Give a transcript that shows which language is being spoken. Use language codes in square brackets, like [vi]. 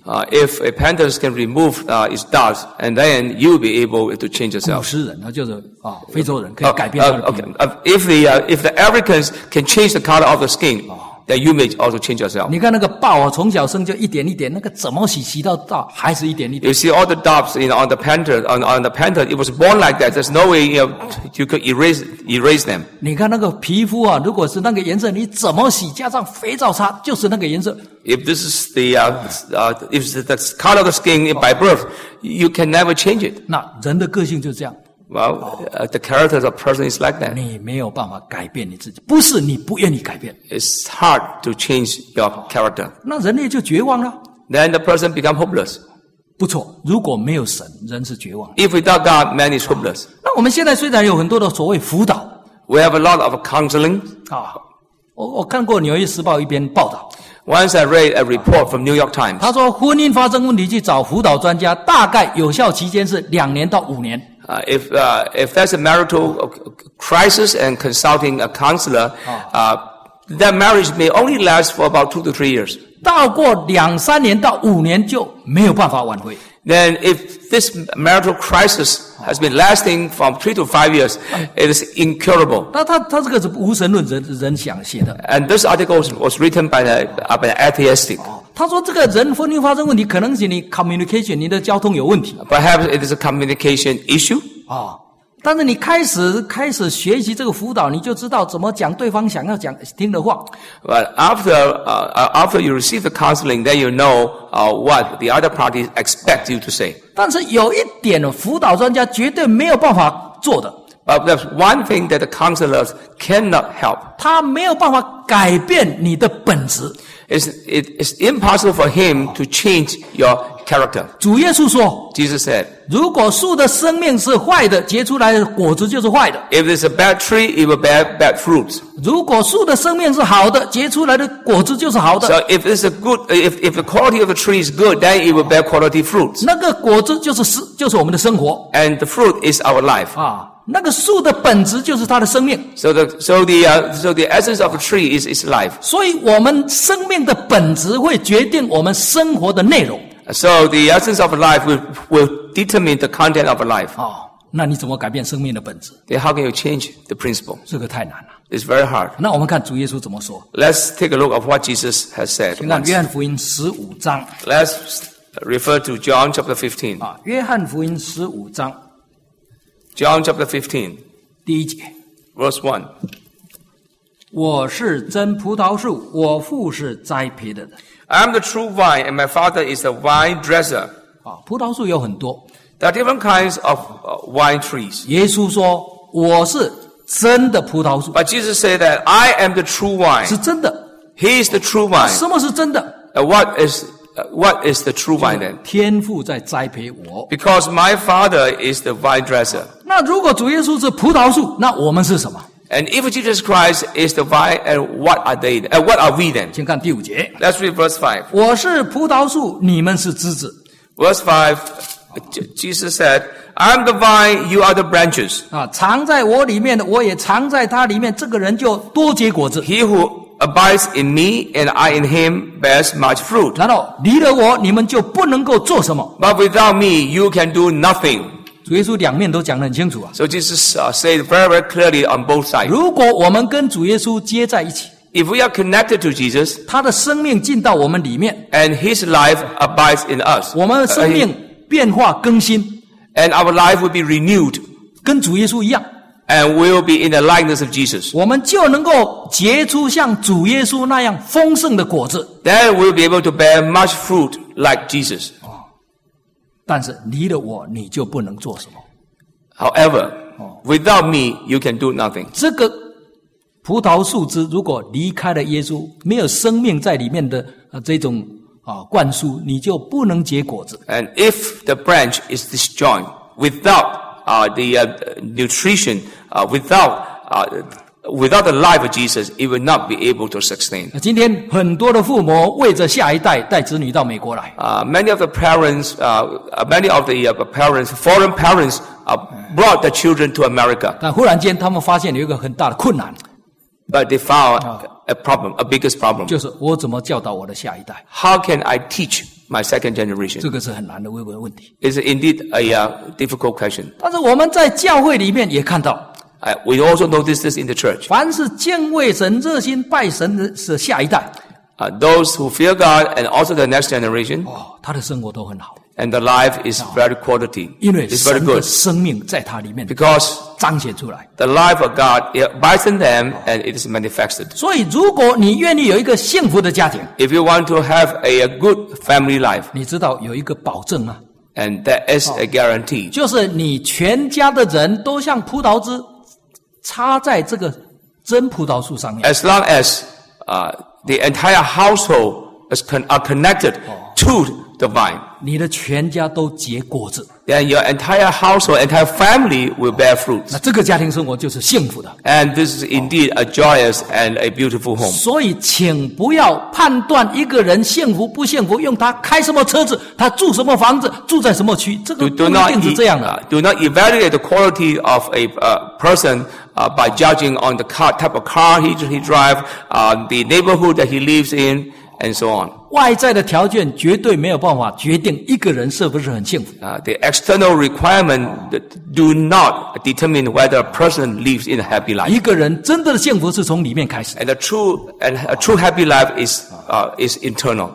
[en] If a panther can remove its dust, and then you will be able to change yourself. [zh] 古斯人，那就是非洲人可以改变他的皮肤。 [en] If the Africans can change the color of the skin, then you may also change yourself. [zh] 你看那个豹啊，从小生就一点一点，那个怎么洗到大还是一点一点。 [en] You see all the dots on the panther, it was born like that. There's no way you could erase them. [zh] 你看那个皮肤啊，如果是那个颜色，你怎么洗加上肥皂擦就是那个颜色。 [en] If this is the if the color of the skin by birth, you can never change it. [zh] 那人的个性就是这样。 [en] Well, the character of a person is like that. [zh] 你没有办法改变你自己，不是你不愿意改变。 [en] It's hard to change your character. [zh] 那人类就绝望了。 [en] Then the person become hopeless. [zh] 不错，如果没有神，人是绝望。 [en] If without God, man is hopeless. [zh] 那我们现在虽然有很多的所谓辅导 [en] ，We have a lot of counseling. [zh] 我看过《纽约时报》一篇报道。 [en] Once I read a report from New York Times. [zh] 他说，婚姻发生问题去找辅导专家，大概有效期间是两年到五年。 [en] If there's a marital crisis and consulting a counselor, that marriage may only last for about 2 to 3 years. [zh] 到过两三年到五年就没有办法挽回。 [en] Then if this marital crisis has been lasting from 3 to 5 years, it is incurable. [zh] 他这个是无神论人想写的。 [en] And this article was written by an atheist. [zh] 他说这个人婚姻发生问题，可能是你 communication 你的交通有问题。 [en] Perhaps it is a communication issue. [zh] 但是你开始学习这个辅导，你就知道怎么讲对方想要讲听的话。 [en] But after you receive the counseling, then you know what the other party expects you to say. [zh] 但是有一点辅导专家绝对没有办法做的。 [en] But there's one thing that the counselors cannot help. [zh] 他没有办法改变你的本质。 [en] It's impossible for him to change your character. [zh] 主耶稣说 [en] Jesus said, [zh] 如果树的生命是坏的，结出来的果子就是坏的。 [en] If it's a bad tree, it will bear bad fruits. [zh] 如果树的生命是好的，结出来的果子就是好的。 [en] So if it's a good, if the quality of the tree is good, then it will bear quality fruits. [zh] 那个果子就是我们的生活。 [en] And the fruit is our life. 啊。 [zh] 那个树的本质就是它的生命。 [en] So the essence of a tree is its life. [zh] 所以我们生命的本质会决定我们生活的内容。 [en] So the essence of life will determine the content of a life. [zh] 哦，那你怎么改变生命的本质？ [en] Then how can you change the principle? [zh] 这个太难了。 [en] It's very hard. [zh] 那我们看主耶稣怎么说。 [en] Let's take a look of what Jesus has said. [zh] 请看约翰福音15章。 [en] Let's refer to John chapter 15. [zh] 啊，约翰福音15章。 [en] John chapter 15, [zh] 第一节 [en] verse 1. [zh] 我是真葡萄树，我父是栽培的人。 [en] I am the true vine, and my father is the vine dresser. [zh] 啊，葡萄树有很多。 [en] There are different kinds of wine trees. [zh] 耶稣说，我是真的葡萄树。 [en] But Jesus said that I am the true vine. [zh] 是真的。 [en] He is the true vine. [zh] 什么是真的？ [en] What is the true vine then? [zh] 天父在栽培我。 [en] Because my father is the vine dresser. [zh] 那如果主耶稣是葡萄树，那我们是什么？ [en] And if Jesus Christ is the vine, and what are they? And what are we then? [zh] 请看第五节。 [en] Let's read verse 5. [zh] 我是葡萄树，你们是枝子。 [en] Verse 5, Jesus said, I'm the vine, you are the branches. [zh] 啊，藏在我里面的，我也藏在他里面，这个人就多结果子。 [en] He who abides in me and I in him bears much fruit. [zh] 难道离了我，你们就不能够做什么？ [en] But without me, you can do nothing. [zh] 主耶稣两面都讲得很清楚啊。 [en] So Jesus said very, very clearly on both sides. [zh] 如果我们跟主耶稣接在一起， [en] If we are connected to Jesus, [zh] 他的生命进到我们里面， [en] and his life abides in us. [zh] 我们生命变化更新， [en] and our life will be renewed. [zh] 跟主耶稣一样。 [en] And we'll be in the likeness of Jesus. [zh] 我们就能够结出像主耶稣那样丰盛的果子。 [en] Then we'll be able to bear much fruit like Jesus. [zh] 但是离了我，你就不能做什么。 [en] However, without me, you can do nothing. [zh] 这个葡萄树枝如果离开了耶稣，没有生命在里面的这种灌输，你就不能结果子。 [en] And if the branch is disjoint without without the life of Jesus, it will not be able to sustain. [zh] 今天很多的父母为着下一代带子女到美国来。 [en] Many of the foreign parents brought the children to America. [zh] 但忽然间他们发现有一个很大的困难。 [en] But they found a problem, a biggest problem. [zh] 就是我怎么教导我的下一代？ [en] How can I teach my second generation? [zh] 这个是很难的问问题。 [en] It's indeed a difficult question. [zh] 但是我们在教会里面也看到。 [en] We also notice this in the church. [zh] 凡是敬畏神、热心拜神的是下一代。 [en] Those who fear God and also the next generation. [zh] 哦，他的生活都很好。 [en] And the life is very quality. [zh] 因为神的生命在他里面。 [en] Because [zh] 彰显出来。 [en] The life of God abides in them and it is manifested. [zh] 所以如果你愿意有一个幸福的家庭。 [en] If you want to have a good family life. [zh] 你知道有一个保证吗？ [en] And that is a guarantee. [zh] 就是你全家的人都像葡萄枝插在这个真葡萄树上面。 [en] As long as, the entire household are connected to the vine. [zh] 你的全家都结果子。 [en] Then your entire household, entire family will bear fruits. [zh] 那这个家庭生活就是幸福的。 [en] And this is indeed a joyous and a beautiful home. [zh] 所以请不要判断一个人幸福不幸福，用他开什么车子，他住什么房子，住在什么区，这个不一定是这样的。 [en] Do not evaluate the quality of a person by judging on the car, type of car he drives, the neighborhood that he lives in, and so on. [zh] 外在的条件绝对没有办法决定一个人是不是很幸福。 [en] The external requirement do not determine whether a person lives in a happy life. [zh] 一个人真的幸福是从里面开始。 [en] And a true happy life is internal.